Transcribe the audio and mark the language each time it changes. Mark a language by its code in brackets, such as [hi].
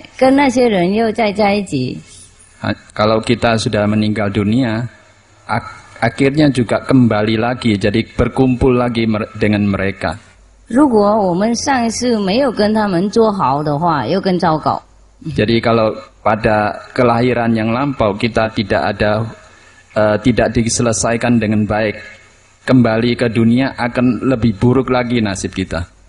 [zh] 那然后我们死了以后，还是传世回来，跟那些人又再在一起。 [id] Kalau kita sudah meninggal dunia, akhirnya juga kembali lagi, jadi berkumpul lagi dengan mereka. [zh] 如果我们上一世没有跟他们做好的话，又更糟糕。 [id] Jadi kalau pada kelahiran yang lampau kita tidak ada tidak diselesaikan dengan baik, kembali ke dunia akan lebih buruk lagi nasib kita.